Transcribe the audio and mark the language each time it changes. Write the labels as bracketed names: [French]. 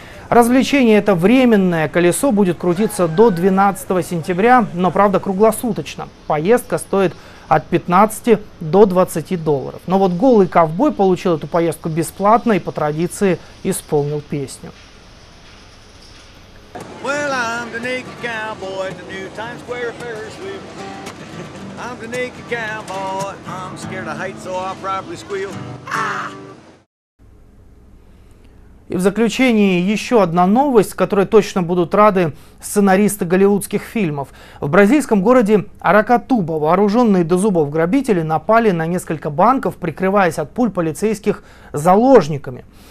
[Russian] Развлечение это временное. Колесо будет крутиться до 12 сентября, но правда круглосуточно. Поездка стоит от 15 до 20 долларов. Но вот голый ковбой получил эту поездку бесплатно и по традиции исполнил песню. [English] Well, I'm the naked cowboy at the new Times Square Ferris wheel. I'm the naked cowboy. I'm scared of heights, so I'll probably squeal. [Russian] И в заключение еще одна новость, которой точно будут рады сценаристы голливудских фильмов. В бразильском городе Аракатуба вооруженные до зубов грабители напали на несколько банков, прикрываясь от пуль полицейских заложниками.